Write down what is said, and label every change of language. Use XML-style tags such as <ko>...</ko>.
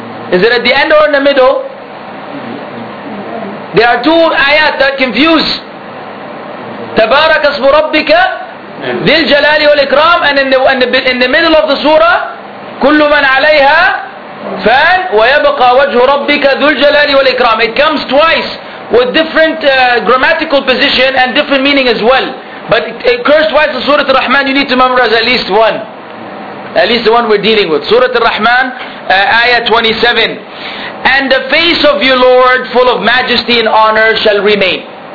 <en>Is it at the end or in the middle? There are two ayat that confuse.</en> <ar>تَبَارَكَ اسْمُ رَبِّكَ ذِي الْجَلَالِ وَالْإِكْرَامِ.</ar> <en>And in the middle of the surah,</en> <ar>كُلُّ مَنْ عَلَيْهَا فان ويبقى وجه ربك ذو الجلال والإكرام.</ar> <en>It comes twice with different grammatical position and different meaning as well. But it occurs twice in Surah Al-Rahman. You need to memorize at least one. At least the one we're dealing with. Surah Al-Rahman, Ayah 27. And the face of your Lord, full of majesty and honor, shall remain.</en>